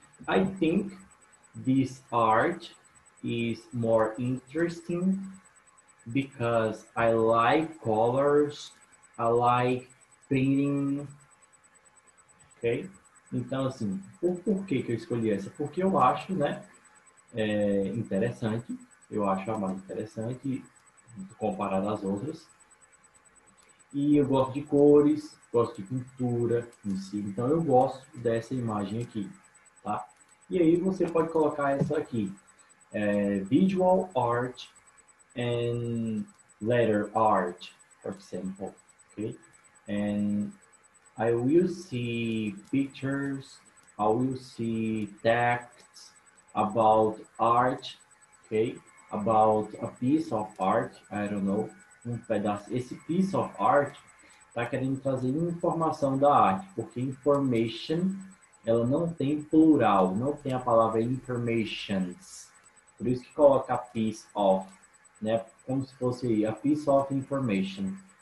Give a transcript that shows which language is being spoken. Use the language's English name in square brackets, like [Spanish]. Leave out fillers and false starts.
[English] I think this art is more interesting because I like colors, I like painting. Okay? [Portuguese] Então, assim, o porquê que eu escolhi essa? Porque eu acho, né, interessante, eu acho a mais interessante comparado às outras. E eu gosto de cores, gosto de pintura em si, então eu gosto dessa imagem aqui, tá? E aí você pode colocar essa aqui, [English] Visual Art and Letter Art, for example, ok? And I will see pictures, I will see texts about art, okay? About a piece of art, I don't know, [Portuguese] um pedaço. Esse piece of art está querendo trazer informação da arte, porque information, ela não tem plural, não tem a palavra informations. Por isso que coloca piece of, né? Como se fosse [English] a piece of information.